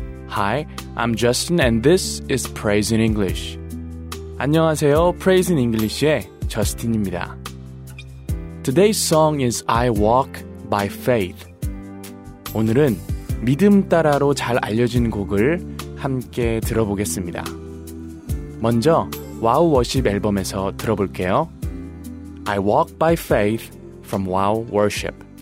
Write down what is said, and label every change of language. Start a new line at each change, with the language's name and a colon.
English: Hi, I'm Justin and this is Praise in English.
Korean: 안녕하세요. Praise in English의 저스틴입니다.
English: Today's song is I Walk by Faith.
Korean: 오늘은 믿음 따라로 잘 알려진 곡을 함께 들어보겠습니다. 먼저 와우 워십 앨범에서 들어볼게요.
English: I Walk by Faith from Wow Worship.